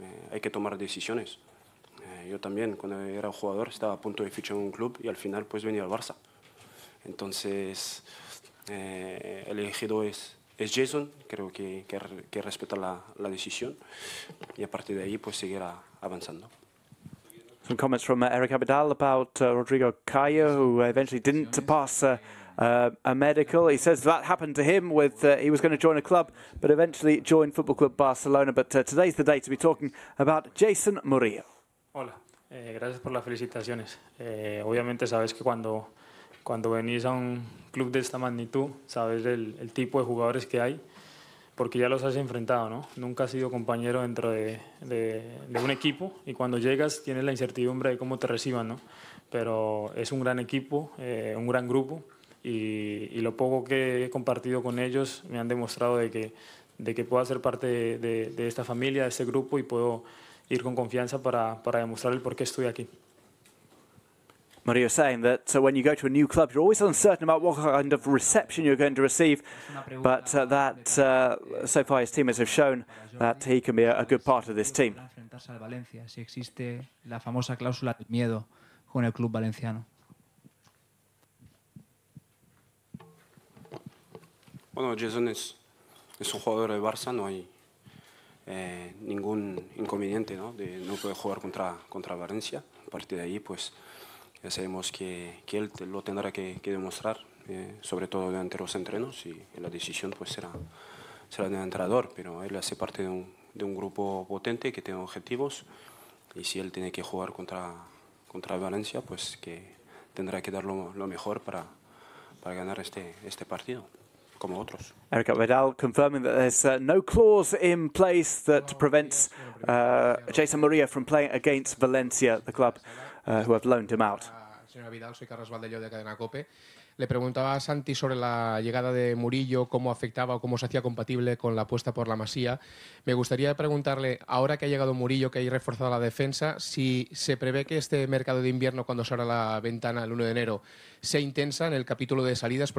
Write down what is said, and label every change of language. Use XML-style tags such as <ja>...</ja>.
<es>Hay que tomar decisiones. Yo también, cuando era jugador, estaba a punto de fichar en un club y al final pues venía al Barça. Entonces, el elegido es Jason, creo que respeta la decisión y a partir de ahí pues seguirá avanzando.</es> <en>Some comments from Eric Abidal about Rodrigo Caio, who eventually didn't pass a medical. He says that happened to him with he was going to join a club, but eventually joined Football Club Barcelona. But today's the day to be talking about Jason Murillo.</en> <es>Hola, gracias por las felicitaciones. Obviamente sabes que cuando venís a un club de esta magnitud, sabes el tipo de jugadores que hay, porque ya los has enfrentado, ¿no? Nunca has sido compañero dentro de un equipo y cuando llegas tienes la incertidumbre de cómo te reciban, ¿no? Pero es un gran equipo, un gran grupo. Y lo poco que he compartido con ellos me han demostrado de que puedo ser parte de esta familia, de este grupo, y puedo ir con confianza para demostrar el por qué estoy aquí.</es> <en>Mario saying that when you go to a new club, you're always uncertain about what kind of reception you're going to receive, but that so far his teammates have shown that he can be a good part of this team.</en> <es>Enfrentarse al Valencia, si existe la famosa cláusula del miedo con el club valenciano. Bueno, Jason es un jugador de Barça, no hay ningún inconveniente, ¿no? De no poder jugar contra Valencia. A partir de ahí, pues ya sabemos que él lo tendrá que demostrar, sobre todo durante los entrenos, y la decisión pues será del entrenador. Pero él hace parte de un grupo potente que tiene objetivos, y si él tiene que jugar contra Valencia, pues que tendrá que dar lo mejor para ganar este partido.</es> <en>Eric Abidal confirming that there's no clause in place that prevents Jason Murillo from playing against Valencia, the club who have loaned him out.</en> <es>Señor Abidal, soy Carlos Valdello de Cadena Cope. Le preguntaba a Santi sobre la llegada de Murillo, cómo afectaba o cómo se hacía compatible con la apuesta por la Masía. Me gustaría preguntarle, ahora que ha llegado Murillo, que hay reforzado la defensa, si se prevé que este mercado de invierno, cuando se abra la ventana el 1 de enero, sea intensa en el capítulo de salidas.</es>